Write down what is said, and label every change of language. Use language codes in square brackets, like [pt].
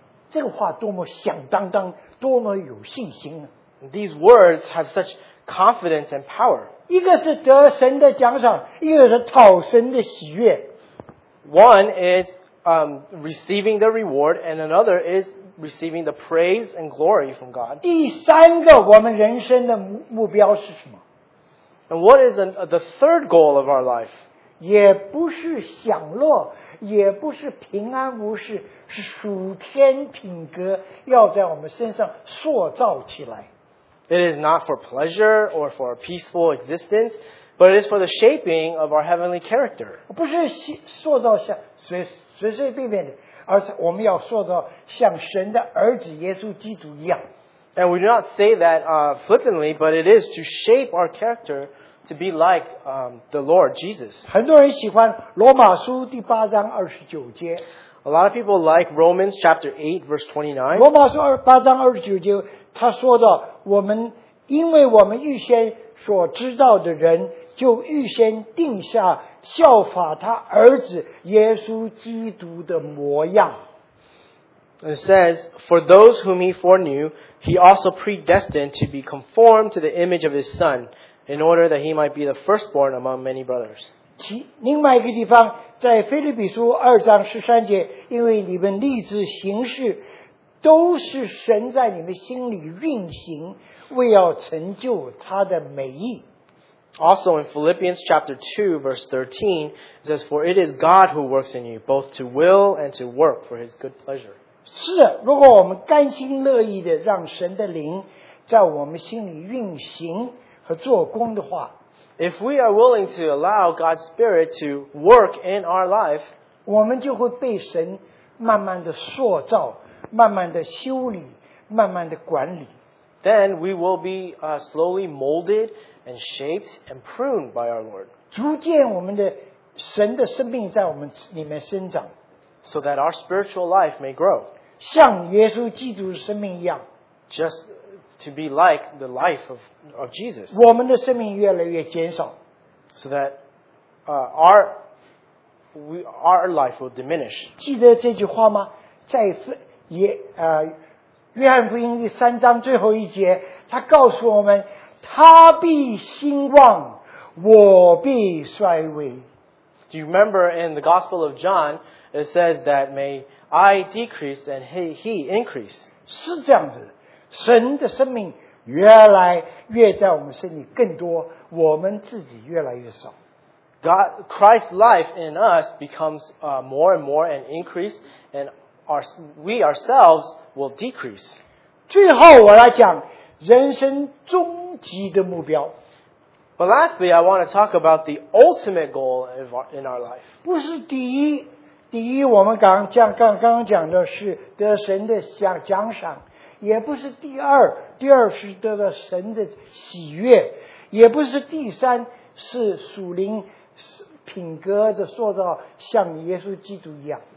[zh] 这个话多么响当当，多么有信心啊。 [en] These words have such confidence and power. [zh] 一个是得神的奖赏，一个是讨神的喜悦。 [en] One is receiving the reward, and another is receiving the praise and glory from God. [zh] 第三个我们人生的目标是什么？ [en] And what is the third goal of our life? [zh] 也不是享乐，也不是平安无事，是属天品格要在我们身上塑造起来。 [en] It is not for pleasure or for a peaceful existence, but it is for the shaping of our heavenly character. [zh] 不是塑造像随随便便的，而是我们要塑造像神的儿子耶稣基督一样。 [en] And we do not say that flippantly, but it is to shape our character to be like the Lord Jesus. [zh] 很多人喜欢罗马书第八章二十九节。 [en] A lot of people like Romans chapter 8 verse 29. [zh] 罗马书八章二十九节，他说到我们因为我们预先所知道的人，就预先定下效法他儿子耶稣基督的模样。 [en] It says, For those whom he foreknew, he also predestined to be conformed to the image of his son, in order that he might be the firstborn among many brothers. [zh] 另外一个地方，在腓立比书二章十三节，因为你们立志行事，都是神在你们心里运行，为要成就他的美意。 [en] Also in Philippians chapter 2, verse 13, it says, For it is God who works in you, both to will and to work for his good pleasure. [zh] 是的，如果我们甘心乐意的让神的灵在我们心里运行和做工的话， [en] If we are willing to allow God's Spirit to work in our life, [zh] 我们就会被神慢慢的塑造，慢慢的修理，慢慢的管理。 [en] Then we will be slowly molded and shaped and pruned by our Lord. [zh] 逐渐我们的神的生命在我们里面生长。 [en] So that our spiritual life may grow. [zh] 像耶稣基督的生命一样。 [en] Just to be like the life of Jesus. [zh] 我们的生命越来越减少。 [en] So that our life will diminish. [zh] 记得这句话吗？在约翰福音第三章最后一节，他告诉我们，他必兴旺，我必衰微。 [en] Do you remember in the Gospel of John, it says that may I decrease and he increase? [zh] 是这样子，神的生命越来越在我们身体更多，我们自己越来越少。 [en] Christ's life in us becomes more and more and increase, and we ourselves will decrease. [zh] 最后我来讲人生终极的目标。 [en] But lastly, I want to talk about the ultimate goal in our life. [zh] 不是第一，第一我们刚刚讲的是得神的奖赏，也不是第二，第二是得到神的喜悦，也不是第三是属灵品格的塑造，像耶稣基督一样。